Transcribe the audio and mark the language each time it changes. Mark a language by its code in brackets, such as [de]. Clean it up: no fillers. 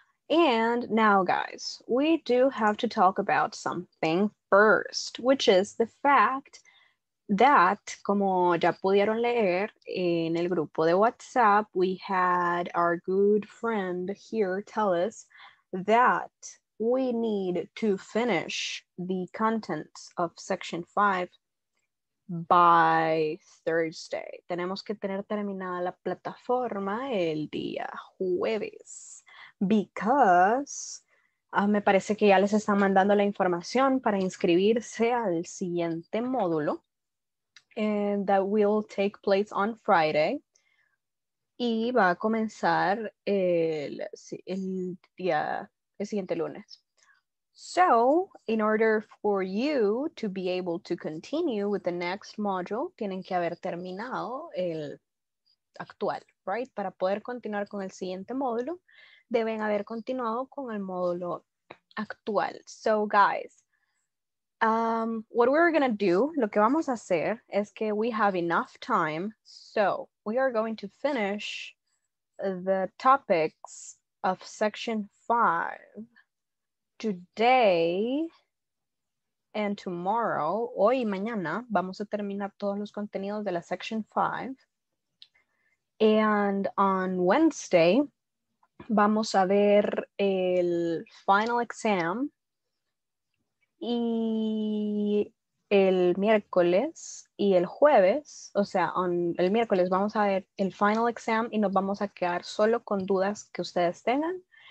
[en] And now, guys, we do have to talk about something first, which is the fact that, como ya pudieron leer en el grupo de WhatsApp, we had our good friend here tell us that we need to finish the contents of section 5 by Thursday. [es] Tenemos que tener terminada la plataforma el día jueves. Because me parece que ya les están mandando la información para inscribirse al siguiente módulo. [en] And that will take place on Friday. Y va a comenzar el siguiente lunes. So, in order for you to be able to continue with the next module, tienen que haber terminado el actual, right? [es] Para poder continuar con el siguiente módulo, deben haber continuado con el módulo actual. [en] So, guys, what we're gonna do, lo que vamos a hacer es que we have enough time, so we are going to finish the topics of section 5 today and tomorrow. [es] Hoy y mañana vamos a terminar todos los contenidos de la section 5. [en] And on Wednesday, vamos a ver el final exam. [es] Y el miércoles y el jueves, o sea, el miércoles vamos a ver el final exam y nos vamos a quedar solo con dudas que ustedes tengan.